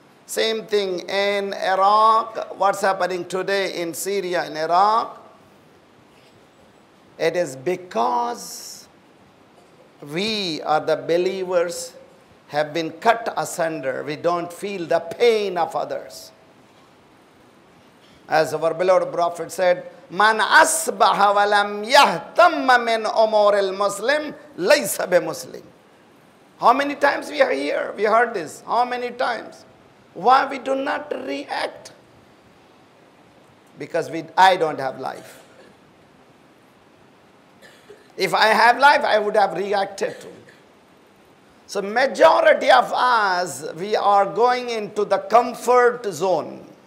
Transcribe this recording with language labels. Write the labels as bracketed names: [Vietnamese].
[English] Same thing in Iraq. What's happening today in Syria, in Iraq? It is because we are the believers have been cut asunder. We don't feel the pain of others. As our beloved Prophet said, [Arabic] من اصبح ولم يهتم من امور المسلم ليس بمسلم. [English] How many times we hear, we heard this? How many times? Why we do not react? Because I don't have life. If I have life, I would have reacted to. So majority of us, we are going into the comfort zone.